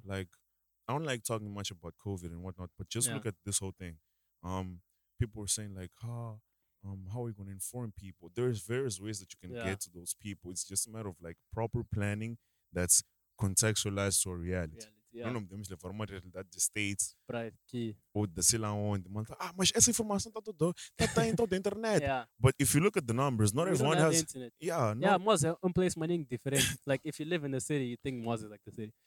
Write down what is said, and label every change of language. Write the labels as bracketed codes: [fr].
[en] Like, I don't like talking much about COVID and whatnot, but just look at this whole thing. People are saying like, how are we going to inform people? There's various ways that you can get to those people. It's just a matter of like proper planning that's contextualized to a reality. [pt] Não podemos levar uma realidade de states para aqui ou de sei lá onde. Mas, mas essa informação está toda dentro da internet. [en] But if you look at the numbers, not everyone has internet. Moz [pt] é place mining different. [en] Like if you live in the city, you think Moz is like the city.